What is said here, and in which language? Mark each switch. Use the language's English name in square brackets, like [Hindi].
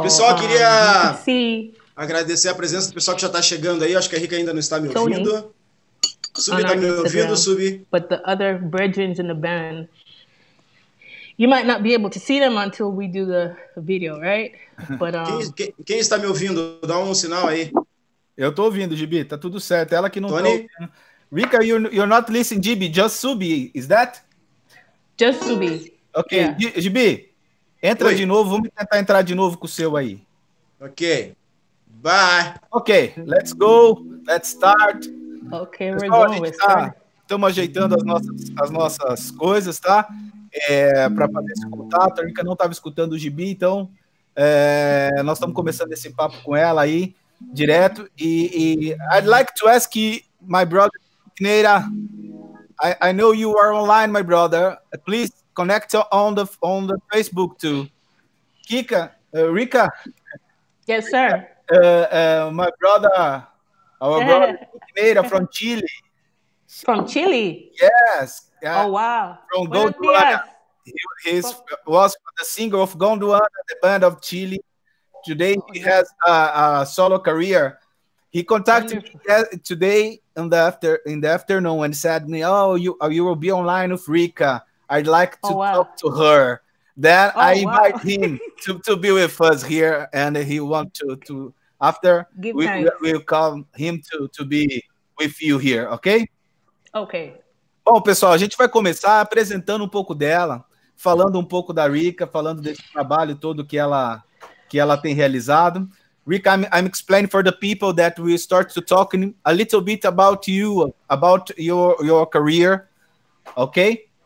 [Portuguese] pessoal, queria agradecer a presença do pessoal que já está chegando aí. Acho que a Rica ainda não está me ouvindo. Subi, está me ouvindo, Subi? [English] But the other brethren in the band, you might not be able to see them until we do the video, right? But, [Portuguese] quem está me ouvindo? Dá um sinal aí. Eu estou ouvindo, Gibi. Está tudo certo. Ela que não está [English] ouvindo. Rica, you're not listening, Gibi. Just Subi, is that? Just Subi. [Portuguese] Ok, yeah. Gibi. Entra Oi. De novo, vamos tentar entrar de novo com o seu aí. [English] Ok. Bye. Ok, let's go. Let's start. Ok, pessoal, we're going. [Portuguese] Estamos ajeitando as nossas coisas, tá? Para fazer esse contato. A Rica não estava escutando o Gibi, então nós estamos começando esse papo com ela aí, direto. [English] E I'd like to ask you, my brother, Kineira. I know you are online, my brother. Please. Connect on the Facebook too. Kika, Rica. Yes, sir. My brother, Kineira from Chile. From Chile? Yes. Yeah. Oh, wow. From Gondwana. He was the singer of Gondwana, the band of Chile. Today he has a solo career. He contacted me today in the afternoon and said me, oh, you will be online with Rica. I'd like to talk to her. Then I invite him to be with us here, and he want to after we'll call him to be with you here, ok? Ok. [Portuguese] Bom, pessoal, a gente vai começar apresentando um pouco dela, falando um pouco da Rica, falando desse trabalho todo que ela tem realizado. [English] Rica, I'm explaining for the people that we start to talk a little bit about you, about your career, ok?